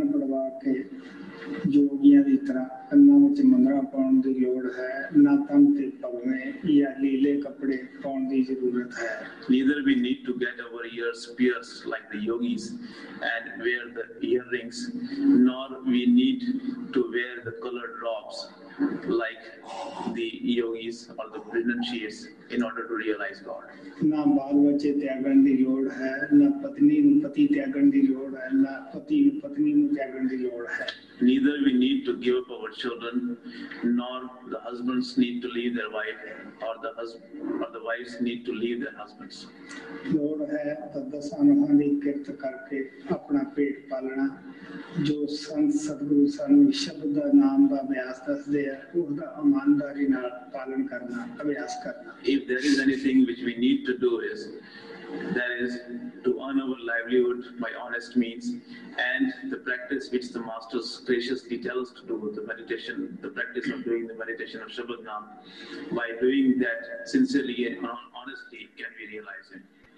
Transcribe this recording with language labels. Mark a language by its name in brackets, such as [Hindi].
[Punjabi] ਯੋਗੀਆਂ ਦੀ ਤਰ੍ਹਾਂ ਕੰਨਾਂ ਵਿੱਚ ਮੰਦਰਾਂ ਪਾਉਣ ਦੀ ਲੋੜ ਹੈ, ਨਾ ਤਨ ਤੇ ਪਗਵੇਂ ਜਾਂ ਲੀਲੇ ਕੱਪੜੇ ਪਾਉਣ ਦੀ ਜ਼ਰੂਰਤ ਹੈ। [English] Neither we need to get our ears pierced like the yogis and wear the earrings, nor we need to wear the colored robes like the yogis or the renunciates in order to realize God. [Punjabi] ਨਾ ਬਾਲ ਬੱਚੇ ਤਿਆਗਣ ਦੀ ਲੋੜ ਹੈ, ਨਾ ਪਤਨੀ ਨੂੰ ਪਤੀ ਤਿਆਗਣ ਦੀ ਲੋੜ ਹੈ, ਨਾ ਪਤੀ ਨੂੰ ਪਤਨੀ ਨੂੰ ਤਿਆਗਣ ਦੀ ਲੋੜ ਹੈ। [English] Neither we need to give up our children, nor the husbands need to leave their wife, or the husband or the wives need to leave their husbands. [Punjabi] ਲੋੜ ਹੈ ਤਦਸਾਨਾਂ ਦੀ ਕਿਰਤ ਕਰਕੇ ਆਪਣਾ ਪੇਟ ਪਾਲਣਾ। ਜੋ ਸੰਤ ਸਤਿਗੁਰੂ ਸਾਨੂੰ ਸ਼ਬਦ ਦਾ ਨਾਮ ਦਾ ਅਭਿਆਸ ਦੱਸਦੇ ਆ, ਉਹਦਾ ਇਮਾਨਦਾਰੀ ਨਾਲ ਪਾਲਣ ਕਰਨਾ, ਅਭਿਆਸ ਕਰਨਾ। [English] If there is anything which we need to do is that is to earn our livelihood by honest means, and the practice which the masters graciously tell us to do, the meditation, the practice of doing the meditation of Shabad Naam, by doing that sincerely and honestly, can we realize it.